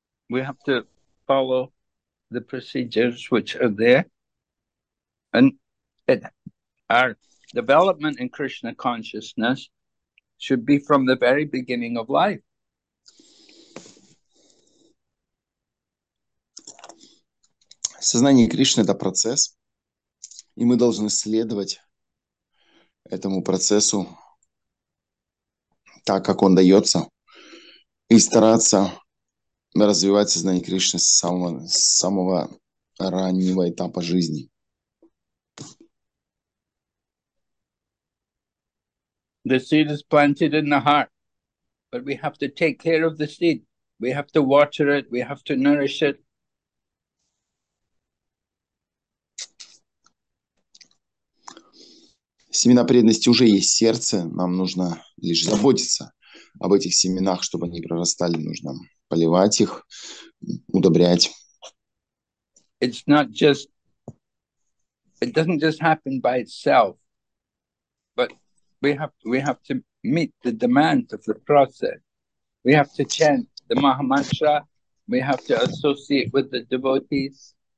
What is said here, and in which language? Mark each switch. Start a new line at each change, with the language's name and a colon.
English: We have to follow the procedures which are there. And it, our development in Krishna consciousness should be from the very beginning of life.
Russian: Сознание Кришны – это процесс, и мы должны следовать этому процессу так, как он дается, и стараться развивать сознание Кришны с самого раннего этапа жизни.
English: The seed is planted in the heart, but we have to take care of the seed. We have to water it, we have to nourish it.
Russian: Семена преданности уже есть сердце, нам нужно лишь заботиться об этих семенах, чтобы они прорастали, нужно поливать их, удобрять.
English: It's not just, it doesn't just happen by itself, but we have to meet the demands of the process. We have to chant the Mahamantra, we have to associate with the devotees.